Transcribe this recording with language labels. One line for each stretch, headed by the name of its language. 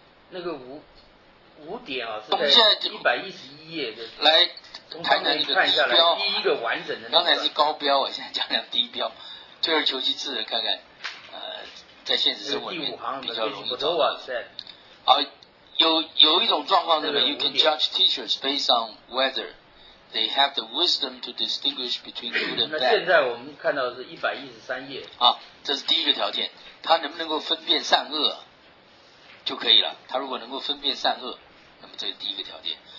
Chinese: 那个五点啊，是在111页的。来，谈谈那个低标，第一个完整的、那个。刚才是高标，我现在讲讲低标，退而求其次的看看。在现实生活里面比较容易找到、有一种状况，对不对？
English: You can judge teachers based on whether they have the wisdom to distinguish between good and bad。
Chinese: 那现在我们看到是113页啊，这是第一个条件，他能不能够分辨善恶就可以了。他如果能够分辨善恶，那么这是第一个条件。